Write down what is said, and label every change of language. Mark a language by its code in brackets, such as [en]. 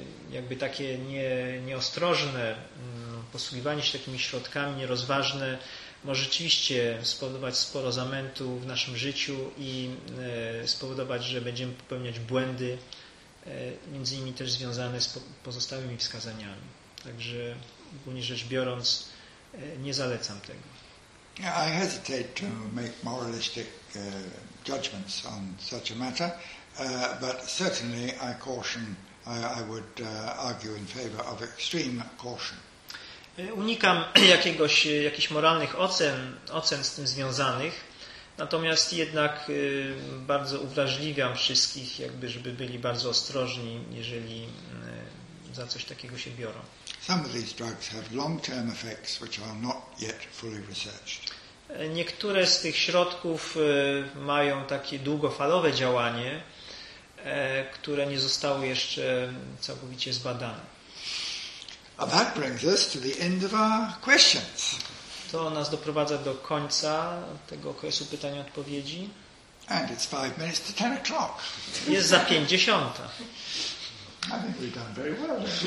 [pl] jakby takie nieostrożne posługiwanie się takimi środkami, nierozważne, może rzeczywiście spowodować sporo zamętu w naszym życiu i spowodować, że będziemy popełniać błędy, między innymi też związane z pozostałymi wskazaniami. Także ogólnie rzecz biorąc, nie zalecam tego. [en] I hesitate to make moralistic judgments on such a matter, but certainly I would argue in favor of extreme caution. [pl] Unikam jakichś moralnych ocen z tym związanych, natomiast jednak bardzo uwrażliwiam wszystkich, jakby żeby byli bardzo ostrożni, jeżeli za coś takiego się biorą. [en] Some of these drugs have long-term effects which are not yet fully researched. [pl] Niektóre z tych środków mają takie długofalowe działanie, które nie zostało jeszcze całkowicie zbadane. [en] That brings us to the end of our questions. [pl] To nas doprowadza do końca tego okresu pytań i odpowiedzi. [en] And it's 5 minutes to 10 o'clock. [pl] Jest za 5:50. [en] I think we've done very well.